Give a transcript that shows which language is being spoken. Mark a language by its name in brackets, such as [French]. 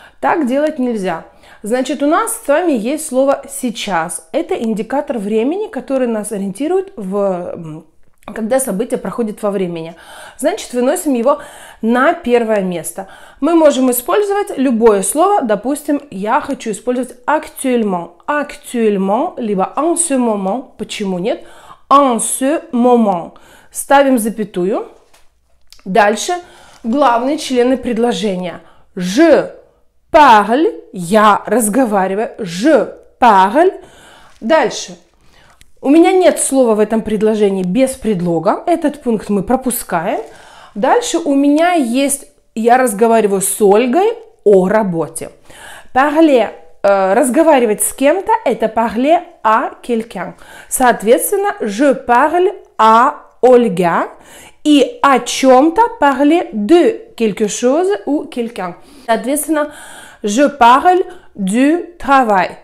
[Russian] Так делать нельзя. Значит, у нас с вами есть слово «сейчас». Это индикатор времени, который нас ориентирует, когда событие проходит во времени. Значит, выносим его на первое место. Мы можем использовать любое слово. Допустим, я хочу использовать «actuellement». [French] «Actuellement» либо «en ce moment». [Russian] Почему нет? [French] «En ce moment». [Russian] Ставим запятую. Дальше главные члены предложения. [French] «Je». Parle, [Russian] я разговариваю, [French] je parle. [Russian] Дальше, у меня нет слова в этом предложении без предлога, этот пункт мы пропускаем. Дальше у меня есть, я разговариваю с Ольгой о работе. Parler, разговаривать с кем-то, это [French] parler à quelqu'un. Соответственно, je parle à Olga. [Russian] И о чем-то [French] parler de quelque chose ou quelqu'un. Соответственно, je parle du travail.